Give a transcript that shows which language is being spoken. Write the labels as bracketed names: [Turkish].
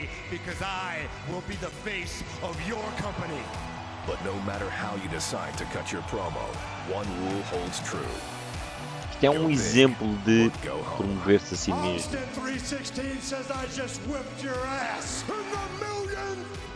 [English] Because I will be the face of your company. But no matter how you decide to cut your promo, one rule holds true. [Portuguese] Isto é um exemplo de promover-se a si mesmo. [English] Says I just whipped your ass in the million.